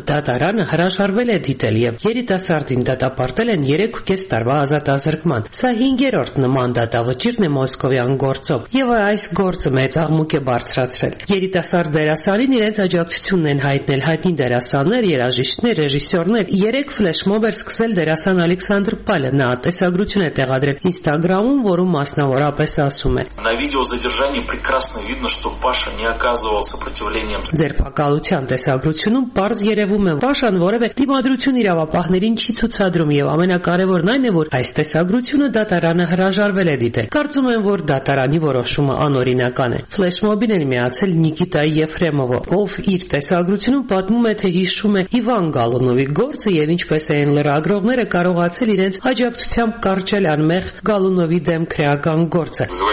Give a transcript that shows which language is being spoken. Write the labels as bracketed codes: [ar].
[hy] դատարանը հրաժարվել է դիտել և երիտասարդին դատապարտել են 3.5 տարվա ազատազրկման։ Սա 5-րդ նման դատավճիռն է մոսկովյան գործով, և այս գործը մեծ աղմուկ է բարձրացրել։ Երիտասարդ դերասանին իրենց աջակցությունն են հայտնել հայտնի դերասաններ, երաժիշտներ, ռեժիսորներ։ 3 ֆլեշմոբ էր սկսել դերասան Ալեքսանդր Պալը, նա տեսագրություն է տեղադրել Instagram-ում, որում մասնավորապես ասում է. [ru] На видео задержание прекрасно видно, что Паша не оказывал сопротивления. [hy] Ձերբակալության տեսագրությունում պարզ երևում է, Պաշան որևէ դիմադրություն իրավապահներին չի ցուցադրում, և ամենակարևորն այն է, որ այս տեսագրությունը դատարանը հրաժարվել է դիտել։ Կարծում եմ, որ դատարանի որոշումը անօրինական է։ Ֆլեշմոբին էլ միացել Նիկիտա Եֆրեմովը, ով իր տեսագրությունում պատմում է, թե հիշում է Իվան Գալունովի գործը և ինչպես էին լրագրողները կարողացել իրենց աջակցությամբ կարճել անմեղ Գալունովի դեմ քրեական գործը։